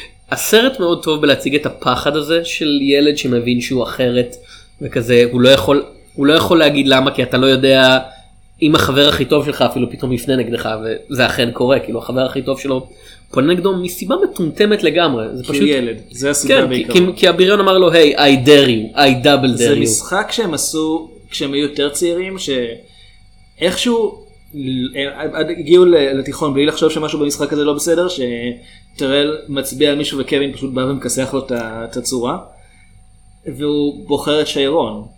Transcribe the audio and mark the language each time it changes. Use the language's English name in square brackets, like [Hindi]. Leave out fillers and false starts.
[Hebrew] הסרט מאוד טוב בלהציג את הפחד הזה של ילד שמבין שהוא אחרת, וכזה, הוא לא יכול להגיד למה, כי אתה לא יודע... אם החבר הכי טוב שלך אפילו פתאום יפנה נגדך, וזה אכן קורה, כאילו החבר הכי טוב שלו פונה נגדו מסיבה מטומטמת לגמרי. זה כי פשוט... ילד, זה הסיבה כן, בעיקר. כי הביריון אמר לו, היי, [English] hey, I dare you, I double dare you. [Hebrew] זה משחק שהם עשו כשהם היו יותר צעירים, שאיכשהו הגיעו לתיכון בלי לחשוב שמשהו במשחק הזה לא בסדר, שטרל מצביע על מישהו וקווין פשוט בא ומכסח לו את הצורה, והוא בוחר את שיירון.